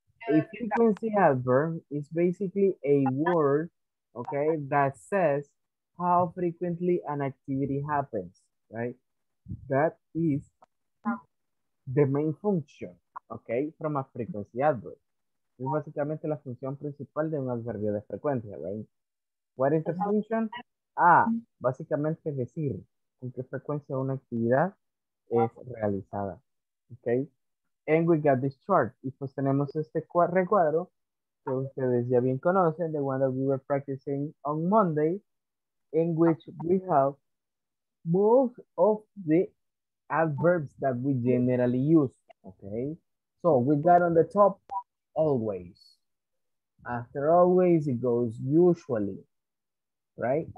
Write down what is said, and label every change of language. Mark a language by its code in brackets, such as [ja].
[en] A frequency adverb is basically a word, okay, that says how frequently an activity happens, right? That is the main function, okay, from a frequency adverb. [es] Es básicamente la función principal de un adverbio de frecuencia, right? What is the function? Ah, básicamente es decir con qué frecuencia una actividad es realizada, okay? [en] And we got this chart. Y pues tenemos este recuadro que ustedes ya bien conocen, the one that we were practicing on Monday, in which we have most of the adverbs that we generally use, okay? So we got on the top, always. After always, it goes usually, right?